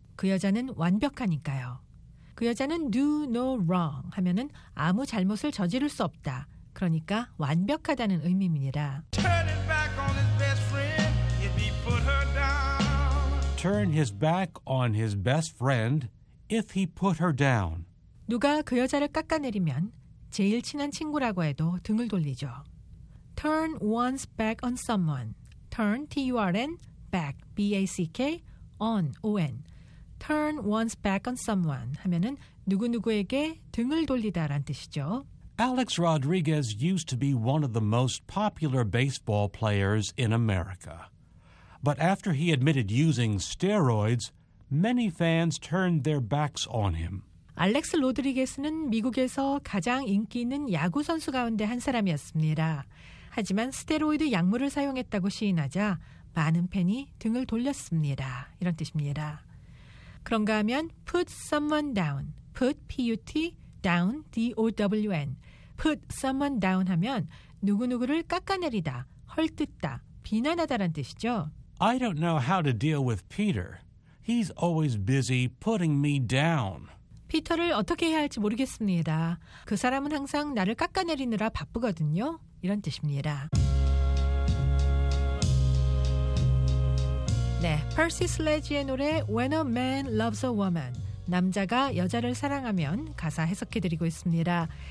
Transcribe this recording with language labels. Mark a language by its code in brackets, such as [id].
[ko] 그 여자는 완벽하니까요. 그 여자는 [en] do no wrong [ko] 하면은 아무 잘못을 저지를 수 없다. 그러니까 완벽하다는 의미입니다. [en] Turn his back on his best friend if he put her down. Turn his back on his best friend if he put her down. [ko] 누가 그 여자를 깎아내리면 제일 친한 친구라고 해도 등을 돌리죠. [en] Turn one's back on someone. Turn, T-U-R-N. Back, B-A-C-K, on, O-N. Turn one's back on someone [ko] 하면은 누구누구에게 등을 돌리다란 뜻이죠. [en] Alex Rodriguez used to be one of the most popular baseball players in America. But after he admitted using steroids, many fans turned their backs on him. [ko] Alex Rodriguez는 미국에서 가장 인기 있는 야구 선수 가운데 한 사람이었습니다. 하지만 스테로이드 약물을 사용했다고 시인하자 많은 팬이 등을 돌렸습니다. 이런 뜻입니다. 그런가 하면 [en] put someone down. put, P-U-T, down, D-O-W-N. put someone down [ko] 하면 누구누구를 깎아내리다, 헐뜯다, 비난하다란 뜻이죠. [en] I don't know how to deal with Peter. He's always busy putting me down. [ko] 피터를 어떻게 해야 할지 모르겠습니다. 그 사람은 항상 나를 깎아내리느라 바쁘거든요. 이런 뜻입니다. 네, 퍼시 슬레지의 노래 When a man loves a woman, 남자가 여자를 사랑하면 가사 해석해드리고 있습니다.